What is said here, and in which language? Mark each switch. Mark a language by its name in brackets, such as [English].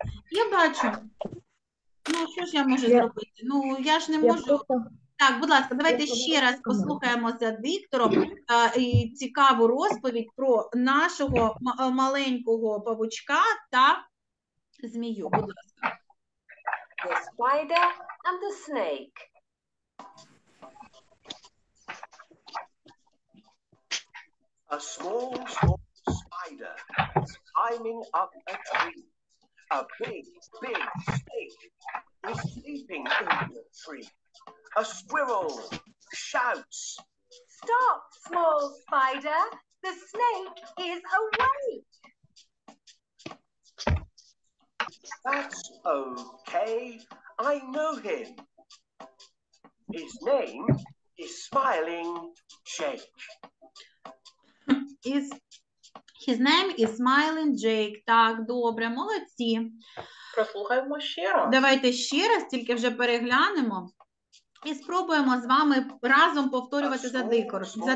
[Ukrainian] Я бачу. Ну, що ж я можу зробити? Ну, я ж не можу. Так, будь ласка, давайте ще раз послухаємо за диктором і цікаву розповідь про нашого маленького павучка та змію. Будь ласка. [English] The spider and the snake. A small, small spider is climbing up a tree. A big, big snake is sleeping in the tree. A squirrel shouts, "Stop, small spider! The snake is awake!" "That's okay, I know him. His name is Smiling Jake." His name is Smiling Jake. [Ukrainian] Так, добре, молодці. Прослухаємо ще раз. Давайте ще раз, тільки вже переглянемо. І спробуємо з вами разом повторювати за диктором.